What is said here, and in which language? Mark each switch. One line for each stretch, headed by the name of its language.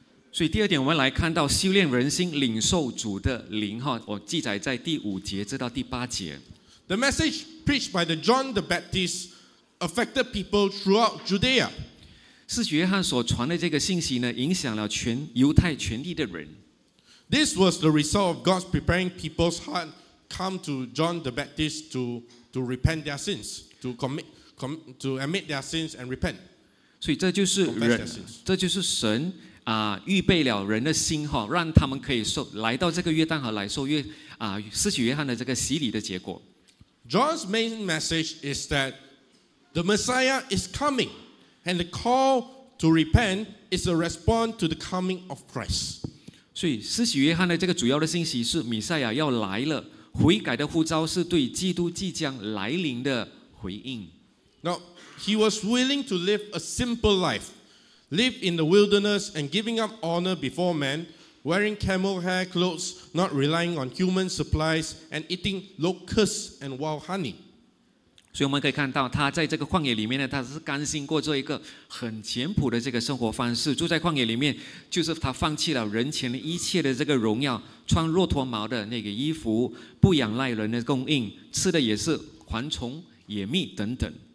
Chinese: 所以第二点，我们来看到修炼人心，领受主的灵哈。我记载在第五节直到第八节。
English: The message preached by the John the Baptist affected people throughout Judea.
Chinese: 是约翰所传的这个信息呢，影响了全犹太全地的人。
English: This was the result of God preparing people's heart come to John the Baptist to repent their sins, to admit their sins and repent.
Chinese: 所以这就是人，这就是神啊，预备了人的心哈，让他们可以受来到这个约旦河来受约啊，施洗约翰的这个洗礼的结果。
English: John's main message is that the Messiah is coming, and the call to repent is a response to the coming of Christ.
Chinese: 所以施洗约翰的这个主要的信息是弥赛亚要来了，悔改的呼召是对基督即将来临的回应。
English: Now, he was willing to live a simple life, live in the wilderness and giving up honor before men, wearing camel hair clothes, not relying on human supplies, and eating locusts and wild honey.
Chinese: 所以我们可以看到，他在这个旷野里面呢，他是甘心过做一个很简朴的这个生活方式。住在旷野里面，就是他放弃了人前的一切的这个荣耀，穿骆驼毛的那个衣服，不仰赖人的供应，吃的也是蝗虫、野蜜等等。